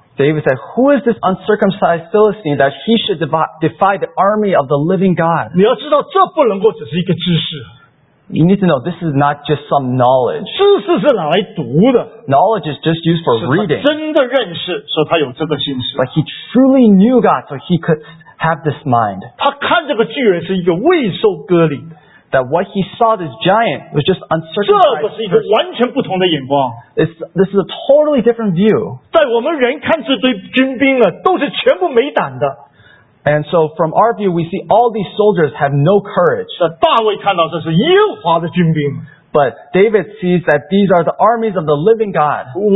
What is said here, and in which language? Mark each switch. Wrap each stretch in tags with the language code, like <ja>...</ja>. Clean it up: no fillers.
<en>David said, who is this uncircumcised Philistine that he should defy the army of the living God?</en> <zh>你要知道这不能够只是一个知识。</zh> <en>You need to know this is not just some knowledge.</en> <zh>知识是拿来读的。</zh> <en>Knowledge is just used for reading.</en> <zh>真的认识，所以他有这个心思。</zh> <en>But he truly knew God, so he could have this mind.</en> <zh>他看这个巨人是一个未受割礼的。</zh> <en>That what he saw this giant was just uncircumcised.</en> <zh>这个是一个完全不同的眼光。</zh> <en>This is a totally different view.</en> <zh>在我们人看这堆军兵啊，都是全部没胆的。</zh> <en>And so from our view, we see all these soldiers have no courage.</en> <zh>大卫看到这是耶和华的军兵。</zh> <en>But David sees that these are the armies of the living God.</en>